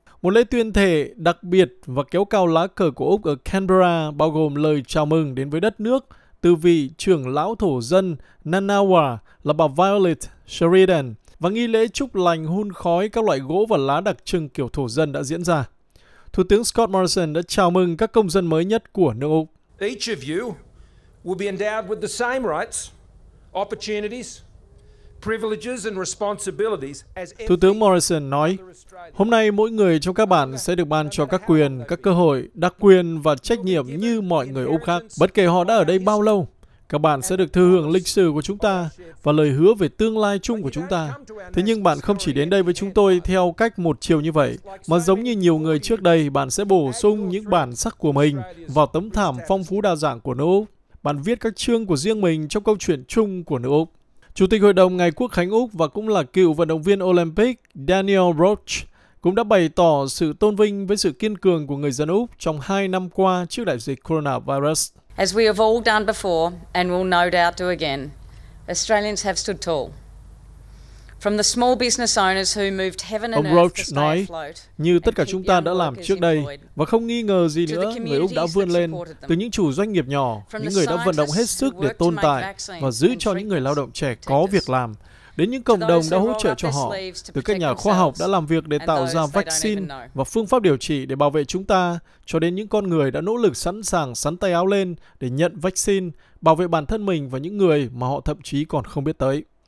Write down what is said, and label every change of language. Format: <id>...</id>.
<vi>Một lễ tuyên thệ đặc biệt và kéo cao lá cờ của Úc ở Canberra bao gồm lời chào mừng đến với đất nước từ vị trưởng lão thổ dân Ngunnawa là bà Violet Sheridan và nghi lễ chúc lành hun khói các loại gỗ và lá đặc trưng kiểu thổ dân đã diễn ra. Thủ tướng Scott Morrison đã chào mừng các công dân mới nhất của nước Úc.</vi> <en>Each of you will be endowed with the same rights, opportunities, privileges and responsibilities as every...</en> <vi>Thủ tướng Morrison nói, hôm nay mỗi người trong các bạn sẽ được ban cho các quyền, các cơ hội, đặc quyền và trách nhiệm như mọi người Úc khác. Bất kể họ đã ở đây bao lâu, các bạn sẽ được thừa hưởng lịch sử của chúng ta và lời hứa về tương lai chung của chúng ta. Thế nhưng bạn không chỉ đến đây với chúng tôi theo cách một chiều như vậy, mà giống như nhiều người trước đây, bạn sẽ bổ sung những bản sắc của mình vào tấm thảm phong phú đa dạng của nước Úc. Bạn viết các chương của riêng mình trong câu chuyện chung của nước Úc. Chủ tịch Hội đồng Ngày Quốc Khánh Úc và cũng là cựu vận động viên Olympic Daniel Roach cũng đã bày tỏ sự tôn vinh với sự kiên cường của người dân Úc trong 2 năm qua trước đại dịch coronavirus.</vi> <en>As we have all done before and will no doubt do again, Australians have stood tall. From the small business owners who moved heaven and earth to stay afloat,</en> <vi>như tất cả chúng ta đã làm trước đây và không nghi ngờ gì nữa, người Úc đã vươn lên từ những chủ doanh nghiệp nhỏ, những người đã vận động hết sức để tồn tại và giữ cho những người lao động trẻ có việc làm, đến những cộng đồng đã hỗ trợ cho họ, từ các nhà khoa học đã làm việc để tạo ra vaccine và phương pháp điều trị để bảo vệ chúng ta, cho đến những con người đã nỗ lực sẵn sàng xắn tay áo lên để nhận vaccine, bảo vệ bản thân mình và những người mà họ thậm chí còn không biết tới.</vi>